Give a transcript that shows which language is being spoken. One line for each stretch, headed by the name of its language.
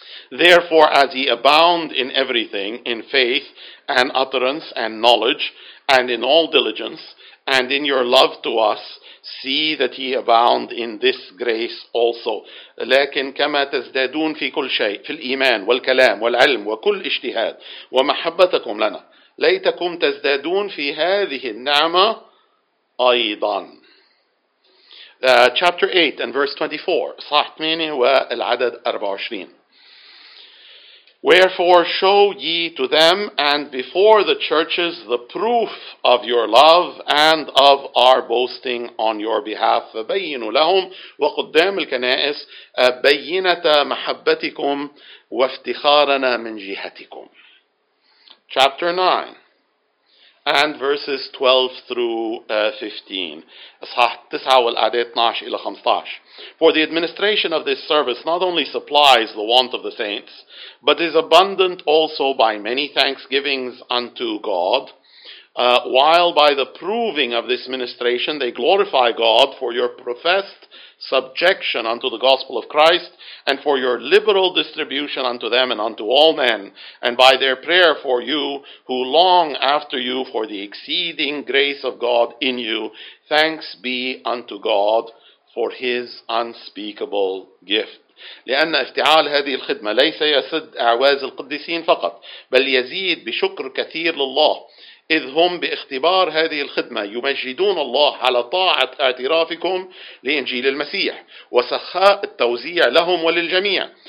English: Therefore, as ye abound in everything, in faith and utterance and knowledge, and in all diligence, and in your love to us, see that ye abound in this grace also.
Arabic: لكن كما تزدادون في كل شيء في الإيمان والكلام والعلم وكل اجتهاد ومحبتكم لنا ليتكم تزدادون في هذه النعمة أيضا.
English: Chapter 8 and verse 24.
Arabic: صحيح 8 والعدد 24.
English: Wherefore show ye to them and before the churches the proof of your love and of our boasting on your behalf.
Arabic: فبينوا لهم وقدام الكنائس بينة محبتكم وافتخارنا من جهتكم.
English: Chapter 9 and verses 12 through 15.
Arabic: أصحاح 9 والأعداد 12 إلى 15.
English: For the administration of this service not only supplies the want of the saints, but is abundant also by many thanksgivings unto God, while by the proving of this ministration they glorify God for your professed subjection unto the gospel of Christ, and for your liberal distribution unto them and unto all men, and by their prayer for you, who long after you for the exceeding grace of God in you, thanks be unto God for his unspeakable gift.
Arabic: لأن افتعال هذه الخدمة ليس يسد أعواز القديسين فقط بل يزيد بشكر كثير لله إذ هم باختبار هذه الخدمة يمجدون الله على طاعة اعترافكم لإنجيل المسيح وسخاء التوزيع لهم وللجميع